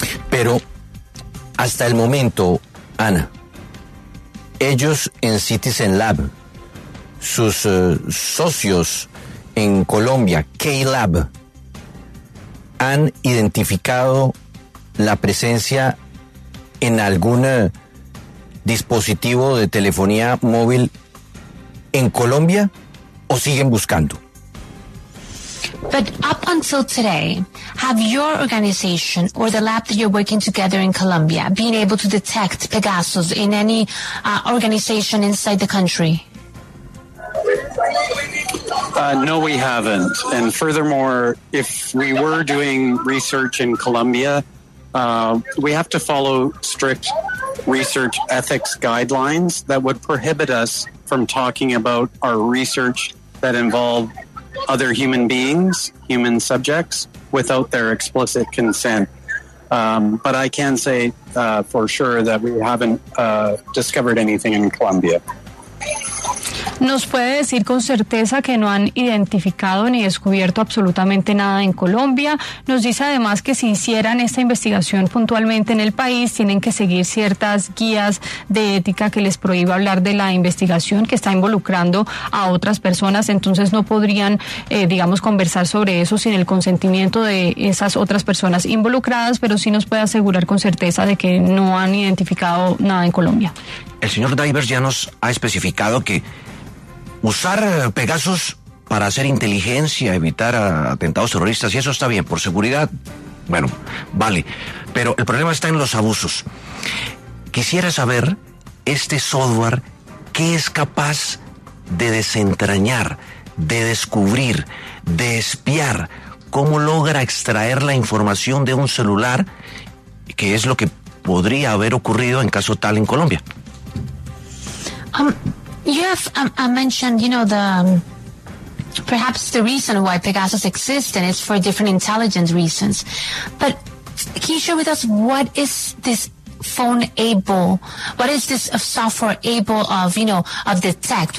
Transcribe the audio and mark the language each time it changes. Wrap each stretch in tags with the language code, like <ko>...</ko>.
<es>Pero hasta el momento, Ana, ellos en Citizen Lab, sus socios en Colombia, K-Lab, han identificado la presencia en algún dispositivo de telefonía móvil en Colombia, ¿o siguen buscando?</es> <en>But up until today, have your organization or the lab that you're working together in Colombia been able to detect Pegasus in any organization inside the country? No, we haven't. And furthermore, if we were doing research in Colombia, we have to follow strict research ethics guidelines that would prohibit us from talking about our research that involve other human beings, human subjects, without their explicit consent. But I can say for sure that we haven't discovered anything in Colombia.</en> <es>¿Nos puede decir con certeza que no han identificado ni descubierto absolutamente nada en Colombia? Nos dice además que si hicieran esta investigación puntualmente en el país, tienen que seguir ciertas guías de ética que les prohíbe hablar de la investigación que está involucrando a otras personas. Entonces no podrían, digamos, conversar sobre eso sin el consentimiento de esas otras personas involucradas, pero sí nos puede asegurar con certeza de que no han identificado nada en Colombia. El señor Divers ya nos ha especificado que usar Pegasus para hacer inteligencia, evitar atentados terroristas, y eso está bien, por seguridad, bueno, vale. Pero el problema está en los abusos. Quisiera saber, este software, ¿qué es capaz de desentrañar, de descubrir, de espiar? ¿Cómo logra extraer la información de un celular? ¿Qué es lo que podría haber ocurrido en caso tal en Colombia?</es> <en>You have mentioned, you know, the perhaps the reason why Pegasus exists, and it's for different intelligence reasons. But can you share with us what is this phone able? What is this software able of, you know, of detect?</en>